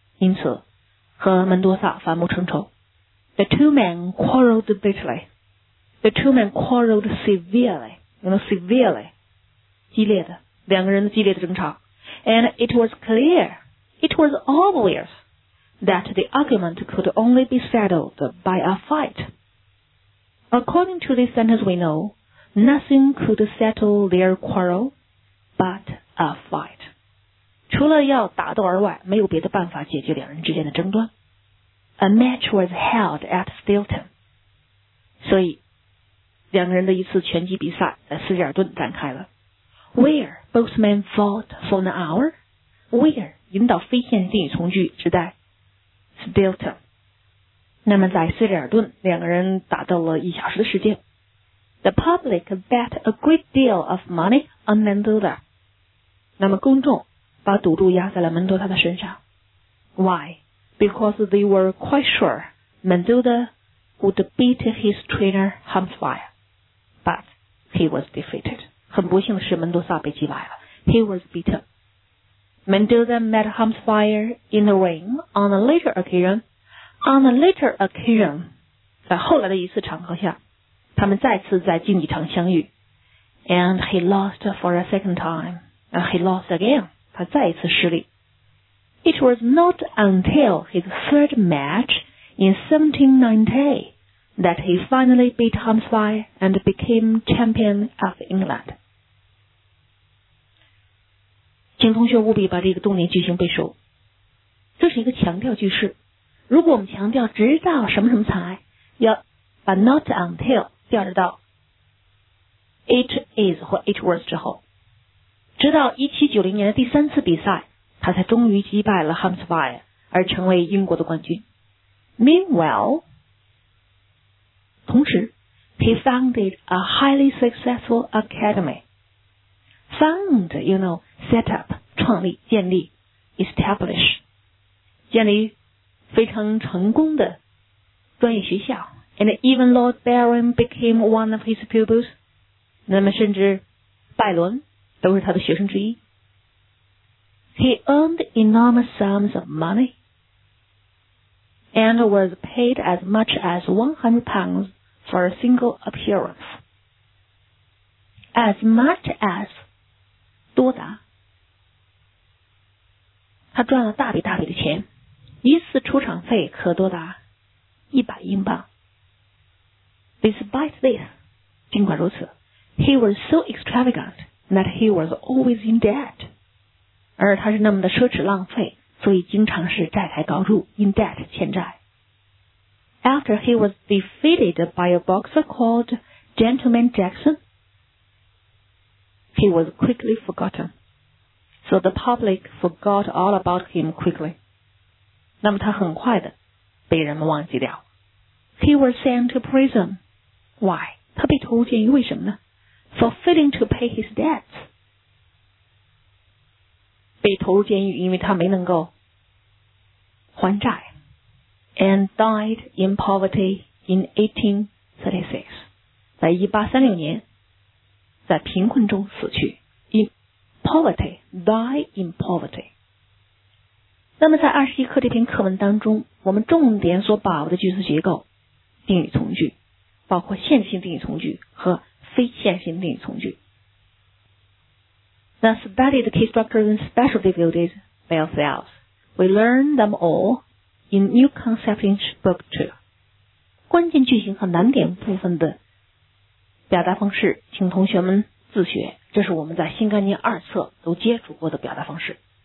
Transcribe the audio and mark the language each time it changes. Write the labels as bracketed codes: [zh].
[zh] 因此和门多萨反目成仇。 [en] The two men quarreled bitterly. The two men quarreled severely. You know, severely. [zh] 激烈的，两个人的激烈的争吵。 [en] And it was clear, it was obvious that the argument could only be settled by a fight. According to this sentence we know, nothing could settle their quarrel butA fight. [zh] 除了要打斗而外，没有别的办法解决两人之间的争端。 [en] A match was held at Stilton. [zh] 所以，两个人的一次拳击比赛在斯吉尔顿展开了。 [en] Where both men fought for an hour? Where [zh] 引导非线定语从句，指代 [en] Stilton. [zh] 那么在斯吉尔顿，两个人打斗了一小时的时间。 [en] The public bet a great deal of money on Mendoza. 那么公众把赌注压在了门多萨的身上。 Why? Because they were quite sure Mendoza would beat his trainer Hamsfire. But he was defeated. [zh] 很不幸的是门多萨被击败了。 [en] He was beaten. Mendoza met Hamsfire in the ring on a later occasion. On a later occasion, 在后来的一次场合下，他们再次在竞技场相遇。 And he lost for a second time. He lost again. [zh] 他再一次失利。 [en] It was not until his third match in 1790 that he finally beat Hamsfire and became champion of England. [zh] 请同学务必把这个动念句型背熟。这是一个强调句式。如果我们强调直到什么什么才，要把 not until 调着到 it is 或 it was 之后。直到1790年的第三次比赛，他才终于击败了 Hamsfire 而成为英国的冠军。 [en] Meanwhile, [zh] 同时 [en] he founded a highly successful academy. Found, you know, set up, [zh] 创立、建立、establish, 建立非常成功的专业学校。 [en] And even Lord Byron became one of his pupils. [zh] 那么甚至拜伦都是他的学生之一。 [en] He earned enormous sums of money and was paid as much as £100 for a single appearance. As much as [zh] 多达，他赚了大笔大笔的钱，一次出场费可多达£100。 [en] Despite this, [zh] 尽管如此 [en] ，he was so extravagant. That he was always in debt. [zh] 而他是那么的奢侈浪费，所以经常是债台高筑 , [en] in debt, [zh] 欠债。 [en] After he was defeated by a boxer called Gentleman Jackson, he was quickly forgotten. So the public forgot all about him quickly. [zh] 那么他很快的被人们忘记掉。 [en] He was sent to prison. Why? [zh] 他被投入监狱为什么呢？ [en] For failing to pay his debts. [zh] 被投入监狱因为他没能够还债。 [en] And died in poverty in 1836. [zh] 在1836年在贫困中死去， [en] in poverty, die in poverty。 [zh] 那么在21课这篇课文当中，我们重点所把握的句子结构定语从句，包括线性定语从句和非线性定语从句。 [en] Now studied key structures and special difficulties by ourselves. We learn them all in new concept in book 2. [zh] 关键句型和难点部分的表达方式请同学们自学，这是我们在新概念二册都接触过的表达方式。